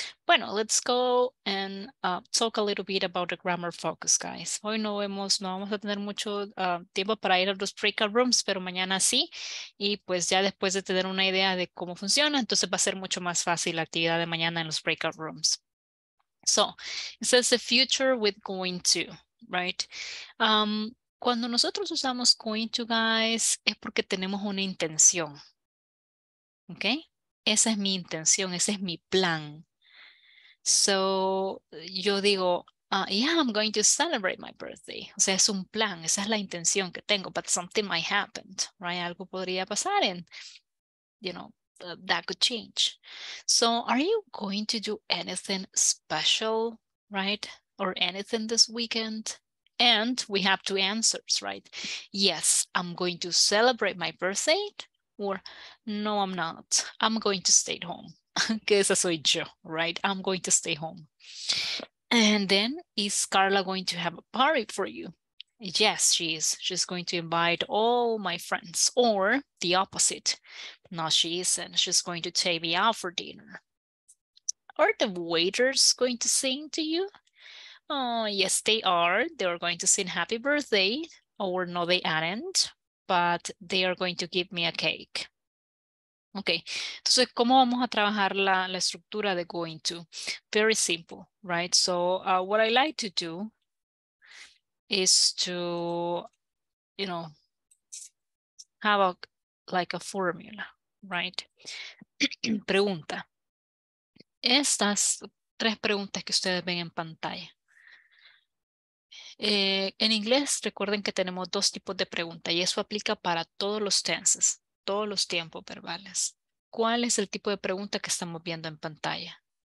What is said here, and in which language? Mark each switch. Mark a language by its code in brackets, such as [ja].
[en] Bueno, let's go and talk a little bit about the grammar focus, guys. [es] Hoy no vamos a tener mucho tiempo para ir a los breakout rooms, pero mañana sí. Y pues ya después de tener una idea de cómo funciona, entonces va a ser mucho más fácil la actividad de mañana en los breakout rooms. [en] So, it says the future with going to, right? [es] Cuando nosotros usamos going to, guys, es porque tenemos una intención. Okay? Esa es mi intención, ese es mi plan. [en] So, [es] yo digo, [en] yeah, I'm going to celebrate my birthday. [es] O sea, es un plan, esa es la intención que tengo, [en] but something might happen, right? [es] Algo podría pasar [en] and, you know, that could change. So, are you going to do anything special, right? Or anything this weekend? And we have two answers, right? Yes, I'm going to celebrate my birthday, or no, I'm not. I'm going to stay at home. [es] Que esa soy yo, [en] right? I'm going to stay home. And then, is Carla going to have a party for you? Yes, she is. She's going to invite all my friends. Or the opposite. No, she isn't. She's going to take me out for dinner. Are the waiters going to sing to you? Oh, yes, they are. They are going to sing happy birthday. Or no, they aren't. But they are going to give me a cake. [es] Ok, entonces, ¿cómo vamos a trabajar la estructura de going to? [en] Very simple, right? So, what I like to do is to, you know, have a formula, right? [es] Pregunta. Estas tres preguntas que ustedes ven en pantalla. En inglés, recuerden que tenemos dos tipos de preguntas y eso aplica para todos los tenses. Todos los tiempos verbales. ¿Cuál es el tipo de pregunta que estamos viendo en pantalla?